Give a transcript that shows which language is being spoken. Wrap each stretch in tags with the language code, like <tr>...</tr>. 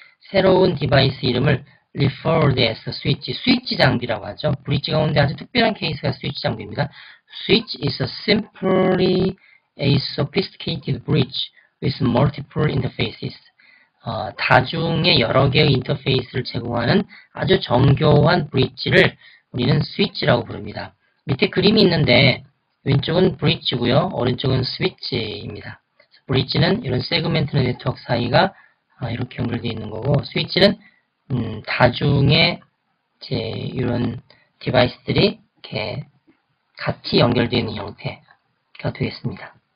<ko>새로운 디바이스 이름을</ko> <en>referred as a switch,</en> <ko>스위치 장비라고 하죠. 브릿지 가운데 아주 특별한 케이스가 스위치 장비입니다.</ko> <en>Switch is a simply a sophisticated bridge with multiple interfaces.</en> <ko>다중의 여러 개의 인터페이스를 제공하는 아주 정교한 브릿지를 우리는 스위치라고 부릅니다. 밑에 그림이 있는데 왼쪽은 브릿지고요. 오른쪽은 스위치입니다. 브릿지는 이런 세그멘트 네트워크 사이가 이렇게 연결되어 있는 거고, 스위치는 다중의 이제 이런 디바이스들이 이렇게 같이 연결되어 있는 형태가 되겠습니다.</ko>